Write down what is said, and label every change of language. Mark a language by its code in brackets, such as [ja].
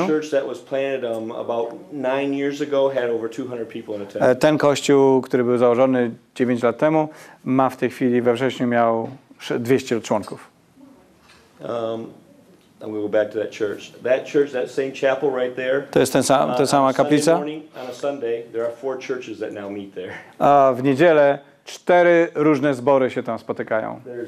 [en] That church that was planted about 9 years ago had over 200 people in attendance. [pl] Ten kościół, który był założony 9 lat temu, ma w tej chwili we wrześniu miał 200 członków. [en] I'm going to go back to that church. That church, that same chapel right there. [pl] To jest ta sama kaplica. [en] On a Sunday, there are 4 churches that now meet there. [pl] A w niedzielę 4 różne zbory się tam spotykają.